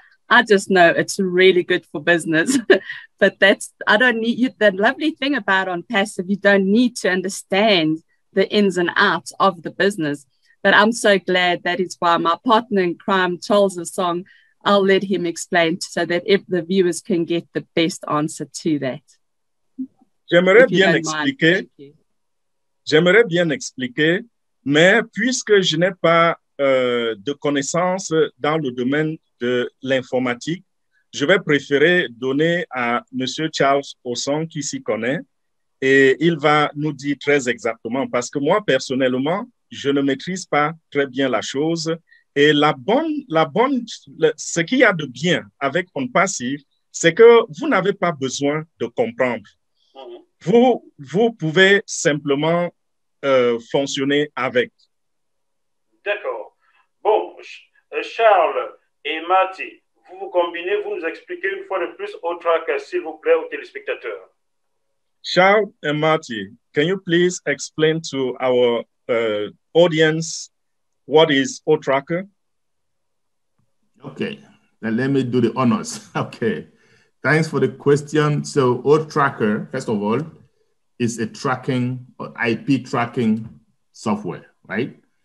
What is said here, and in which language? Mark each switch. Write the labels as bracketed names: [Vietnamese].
[English] I just know it's really good for business, but the lovely thing about OnPassive, you don't need to understand the ins and outs of the business, but I'm so glad that is why my partner in crime, Charles' song, I'll let him explain so that if the viewers can get the best answer to that. [French] J'aimerais bien expliquer, mais puisque je n'ai pas de connaissances dans le domaine de l'informatique, je vais préférer donner à M. Charles Osson qui s'y connaît et il va nous dire très exactement parce que moi, personnellement, je ne maîtrise pas très bien la chose Et la bonne, ce qu'il y a de bien avec On Passive, c'est que vous n'avez pas besoin de comprendre. Vous pouvez simplement fonctionner avec. D'accord. Bon, Charles et Mati, vous vous combinez, vous nous expliquez une fois de plus au track, s'il vous plaît, aux téléspectateurs. [English] Charles and Marty, can you please explain to our audience what is O-Tracker? Okay, then let me do the honors. Okay, thanks for the question. So O-Tracker, first of all, is a tracking, IP tracking software, right?